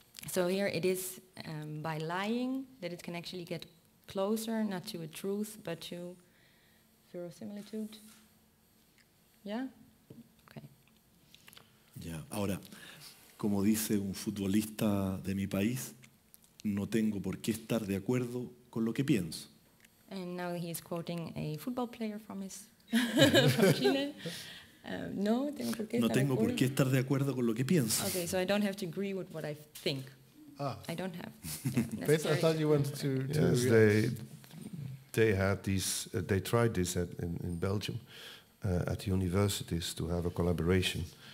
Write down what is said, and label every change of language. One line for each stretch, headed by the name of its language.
English: So here it is by lying that it can actually get closer, not to a truth, but to verosimilitud.
Spanish: Ahora, como dice un futbolista de mi país, no tengo por qué estar de acuerdo con lo que pienso.
English: And now he is quoting a football player from his from Chile.
Spanish: No tengo por qué estar de acuerdo con lo que pienso.
English: Okay, so I don't have to agree with what I think. Ah. I don't have. Yeah, I thought you wanted to. Yes, they had these. They tried this in Belgium, at universities, to have a collaboration.